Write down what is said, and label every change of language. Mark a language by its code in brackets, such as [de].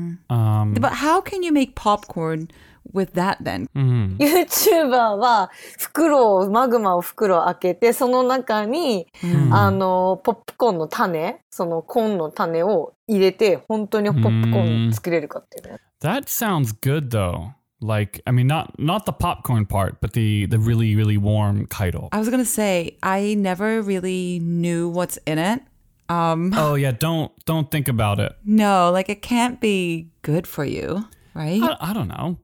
[en] But how can you make popcorn with that then? [ja] YouTuber は袋を、マグマを袋を開けて、その中に、ポップコーンの種、そのコーンの種を入れて、本当にポップコーン作れるかっていうね。 [en] That sounds good though. Like, I mean, not the popcorn part, but the really, really warm kaido. I was gonna say, I never really knew what's in it. Oh yeah, don't think about it. No, like it can't be good for you, right? I don't know.